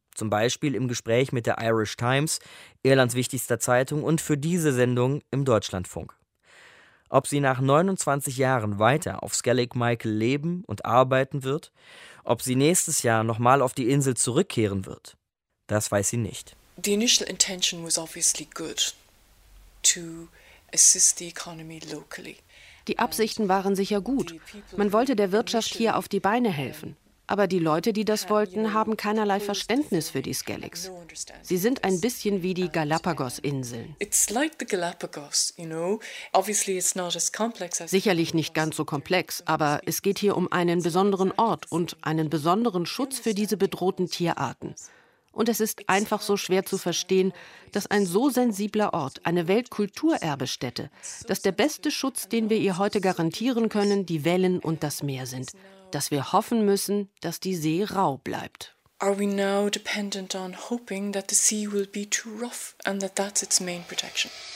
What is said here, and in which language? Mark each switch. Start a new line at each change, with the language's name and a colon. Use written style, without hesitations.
German: Zum Beispiel im Gespräch mit der Irish Times, Irlands wichtigster Zeitung, und für diese Sendung im Deutschlandfunk. Ob sie nach 29 Jahren weiter auf Skellig Michael leben und arbeiten wird, ob sie nächstes Jahr nochmal auf die Insel zurückkehren wird, das weiß sie nicht.
English: The initial intention was obviously good, to assist the economy locally.
German: Die Absichten waren sicher gut. Man wollte der Wirtschaft hier auf die Beine helfen. Aber die Leute, die das wollten, haben keinerlei Verständnis für die Skelligs. Sie sind ein bisschen wie die Galapagos-Inseln.
English: It's like the Galapagos, you know. Obviously it's not as complex as.
German: Sicherlich nicht ganz so komplex, aber es geht hier um einen besonderen Ort und einen besonderen Schutz für diese bedrohten Tierarten. Und es ist einfach so schwer zu verstehen, dass ein so sensibler Ort, eine Weltkulturerbestätte, dass der beste Schutz, den wir ihr heute garantieren können, die Wellen und das Meer sind. Dass wir hoffen müssen, dass die See rau bleibt.
English: Are we now dependent on hoping that the sea will be too rough and that that's its main protection?